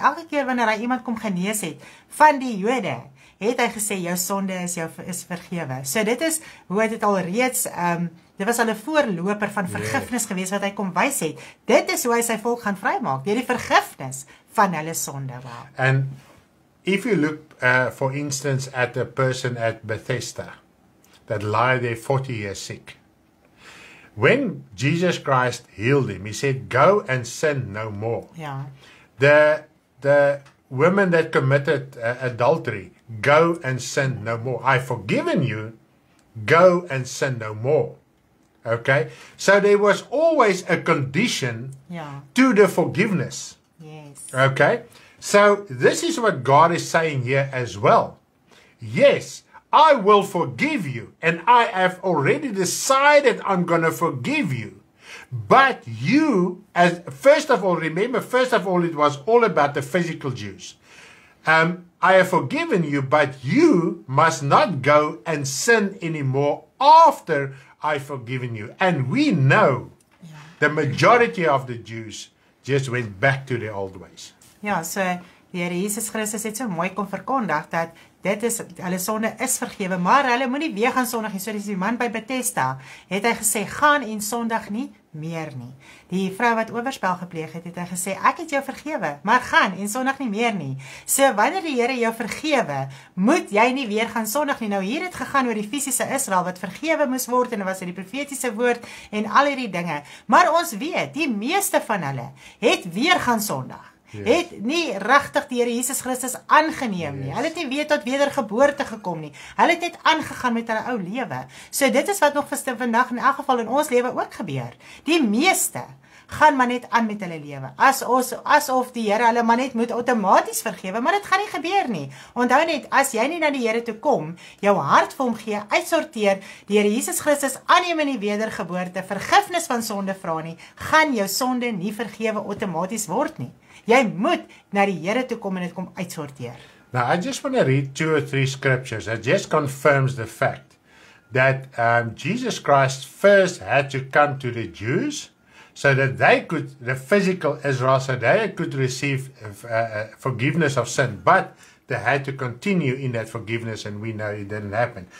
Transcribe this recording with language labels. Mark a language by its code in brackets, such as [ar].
[af] Elke keer wanneer hy iemand kom genees het van die Jode, het hy gesê, jou sonde is jou is vergewe. So dit is hoe het dit al reeds, dit was al 'n voorloper van vergifnis gewees wat hy kom wys het. Dit is hoe hy sy volk gaan vrymaak, deur die vergifnis van hulle sonde. [en] Wow. And if you look, for instance, at a person at Bethesda that lie there 40 years sick, when Jesus Christ healed him, he said, go and sin no more. Yeah. The woman that committed adultery, go and sin no more. I've forgiven you, go and sin no more. Okay? So there was always a condition to the forgiveness. Yes. Okay? So this is what God is saying here as well. Yes, I will forgive you, and I have already decided I'm going to forgive you. But you, as first of all, remember, first of all, it was all about the physical Jews. I have forgiven you, but you must not go and sin anymore after I've forgiven you. And we know the majority of the Jews just went back to their old ways. [af] Ja, so die Here Jesus Christus het so mooi kom verkondig dat dit is, hulle sonde is vergewe, maar hulle moet nie weer gaan sondig nie. So dis die man by Bethesda, het hy gesê, gaan en sondig nie meer nie. Die vrou wat oorspel gepleeg het, het hy gesê, ek het jou vergewe, maar gaan en sondig nie meer nie. So wanneer die Here jou vergewe, moet jy nie weer gaan sondig nie. Nou hier het gegaan oor die fisiese Israel wat vergewe moes word en was in die profetiese woord en al hierdie dinge. Maar ons weet, die meeste van hulle het weer gaan sondig. Yes. Het nie regtig die Here Jesus Christus aangeneem nie. Hulle het nie weet tot wedergeboorte gekom nie. Hulle het net aangegaan met hulle ou lewe. So dit is wat nog vandag in elk geval in ons lewe ook gebeur. Die meeste gaan maar net aan met hulle lewe. Asof die Here hulle maar net moet outomaties vergewe, maar dit gaan nie gebeur nie. Onthou net, as jy nie na die Here toe kom, jou hart vir hom gee, uitsorteer, die Here Jesus Christus aanneem in die wedergeboorte, vergifnis van sonde vra nie, gaan jou sonde nie vergewe outomaties word nie. Jy moet na die Here toe kom en dit kom uitsorteer. [en] Now, I just want to read two or three scriptures that just confirms the fact that Jesus Christ first had to come to the Jews so that they could, the physical Israel, so they could receive forgiveness of sin, but they had to continue in that forgiveness, and we know it didn't happen.